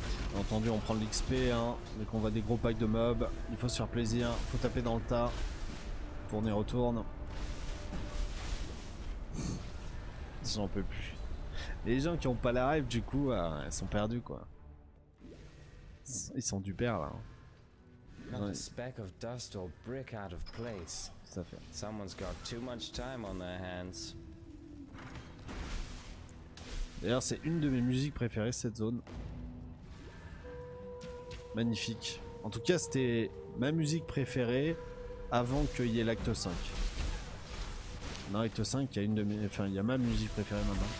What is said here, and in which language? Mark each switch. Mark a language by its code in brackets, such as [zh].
[fr] Bien entendu, on prend de l'XP, hein, dès qu'on voit des gros packs de mobs, il faut se faire plaisir, faut taper dans le tas. Tourne et retourne. J'en peux plus. Les gens qui ont pas la rêve, du coup, ils sont perdus quoi. Ils sont du père là. Hein. [en] Not a speck of dust or brick out of place. Someone's got too much time on their hands. [fr] D'ailleurs, c'est une de mes musiques préférées, cette zone. Magnifique. En tout cas, c'était ma musique préférée avant qu'il y ait l'acte 5. Dans l'acte 5, il y a une de mes... enfin, il y a ma musique préférée maintenant.